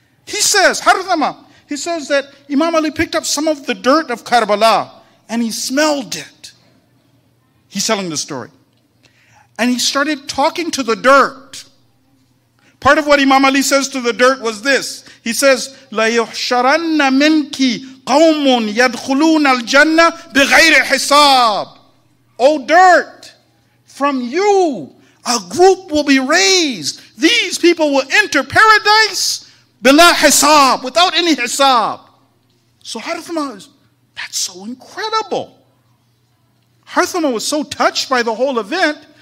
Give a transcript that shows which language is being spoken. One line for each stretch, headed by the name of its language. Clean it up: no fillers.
English: He says, Harthama, he says that Imam Ali picked up some of the dirt of Karbala and he smelled it. He's telling the story. And he started talking to the dirt. Part of what Imam Ali says to the dirt was this. He says,
Arabic: لَيُحْشَرَنَّ مِنْكِ قَوْمٌ يَدْخُلُونَ الْجَنَّةِ بِغَيْرِ حِسَابٍ.
English: Oh dirt, from you a group will be raised. These people will enter paradise
Arabic: بِلَا حِسَابٍ,
English: without any حِسَاب. So Harthama is, that's so incredible. Harthama was so touched by the whole event.